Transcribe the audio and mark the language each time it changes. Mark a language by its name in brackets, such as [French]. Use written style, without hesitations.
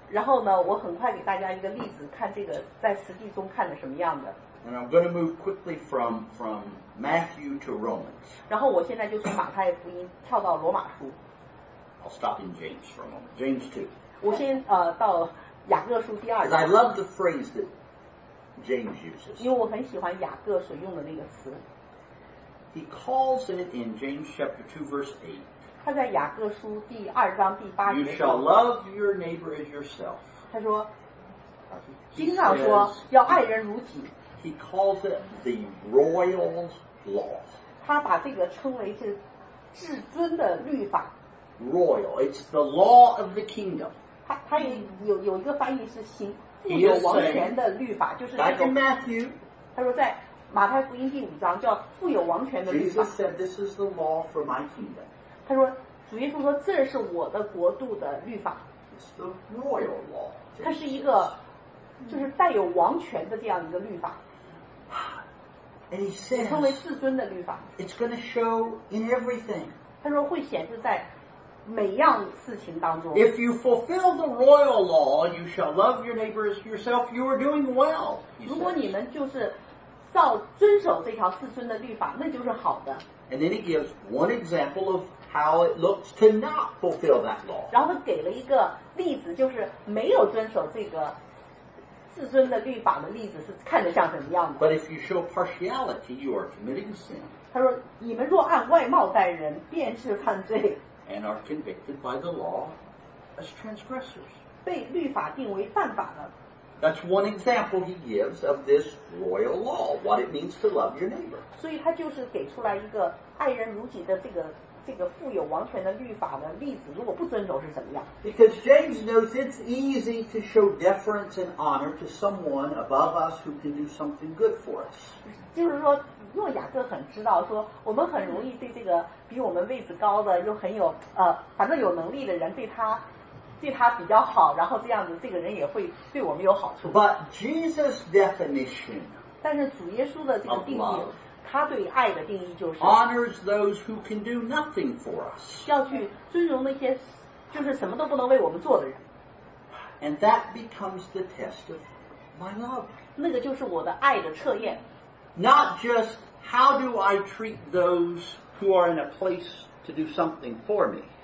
[Chinese] 然后呢，我很快给大家一个例子，看这个在实际中看的什么样的。 [English] And I'm going to move quickly from Matthew to Romans. [Chinese] 然后我现在就从马太福音跳到罗马书。 [English] I'll stop in James for a moment. James 2. [Chinese] 我先到雅各书第二。 [English] Because I love the phrase that James uses. [Chinese] 因为我很喜欢雅各所用的那个词。 [English] He calls it in James chapter 2 verse 8. [Chinese] 他在雅各书第二章第八节。 [English] You shall love your neighbor as yourself. [Chinese] 他说，经上说要爱人如己。 [English] He calls it the royal law. [Chinese] 他把这个称为是至尊的律法。 [English] Royal, it's the law of the kingdom. [Chinese] 他有一个翻译是行富有王权的律法，就是那个。 [English] Like in Matthew. [Chinese] 他说在马太福音第五章叫富有王权的律法。 [English] Jesus said, "This is the law for my kingdom." [Chinese] 他说，主耶稣说，这是我的国度的律法。 [English] It's the royal law. [Chinese] 它是一个，就是带有王权的这样一个律法。 [English] And he says, [Chinese] 成为至尊的律法, [English] it's going to show in everything. [Chinese] 他说会显示在每样事情当中, [English] if you fulfill the royal law, you shall love your neighbor as yourself, you are doing well. [Chinese] 如果你们就是照遵守这条至尊的律法, [English] and then he gives one example of how it looks to not fulfill that law. [Chinese] 然后给了一个例子, 就是没有遵守这个, 自尊的律法的例子是看得像怎么样的? [English] But if you show partiality, you are committing sin. [Chinese] 他说, 你们若按外貌待人, 便是犯罪, [English] and are convicted by the law as transgressors. [Chinese] 被律法定为犯法的, [English] that's one example he gives of this royal law, what it means to love your neighbor. [Chinese] 所以他就是给出来一个爱人如己的这个 这个富有王权的律法的例子如果不遵守是怎么样? [English] Because James knows it's easy to show deference and honor to someone above us who can do something good for us. [Chinese] 就是说诺亚哥很知道说我们很容易对这个比我们位置高的又很有反正有能力的人对他比较好然后这样子这个人也会对我们有好处。 [English] But Jesus' definition [Chinese] 但是主耶稣的这个定义 [English] honors those who can do nothing for us. [Chinese] 要去尊荣那些就是什么都不能为我们做的人。 [English] And that becomes the test of my love. [Chinese] 那个就是我的爱的测验。 [English] Not just how do I treat those who are in a place to do something for me.